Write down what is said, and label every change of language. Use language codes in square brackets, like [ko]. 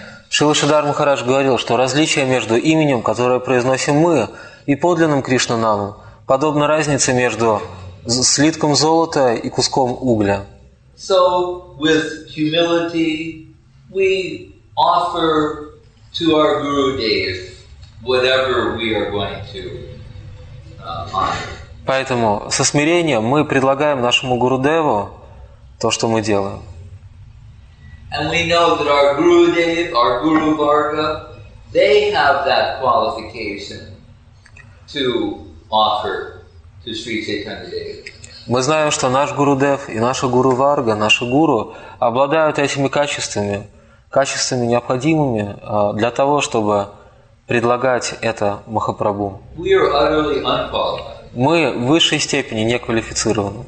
[ru] Шрила Шридхара Махарадж говорил, что различие между именем, которое произносим мы, и подлинным Кришнанамом подобно разнице между слитком золота и куском угля. [en] So, with humility, we offer to our Guru Dev whatever we are going to honor. [ru] Поэтому со смирением мы предлагаем нашему Гуру Деву то, что мы делаем. [en] And we know that our Gurudev, our Guru Varga, they have that qualification to offer to Sri Chaitanya Dev. [ru] Мы знаем, что наш Гурудев и наша Гуру Варга, наши Гуру, обладают этими качествами, качествами необходимыми для того, чтобы предлагать это Махапрабху. [en] We are utterly unqualified. [ru] Мы в высшей степени неквалифицированы.